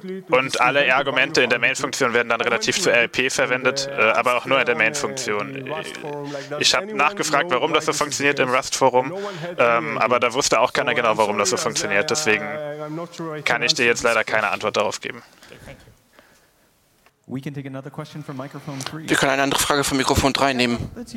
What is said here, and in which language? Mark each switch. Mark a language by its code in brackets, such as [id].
[de] Und alle Argumente in der Main-Funktion werden dann relativ zu REP verwendet, aber auch nur in der Main-Funktion. Ich habe nachgefragt, warum das so funktioniert im Rust-Forum, aber da wusste auch keiner genau, warum das so funktioniert. Deswegen kann ich dir jetzt leider keine Antwort darauf geben. [en] We can take another question from microphone 3. [de] Wir können eine andere Frage von Mikrofon 3 nehmen.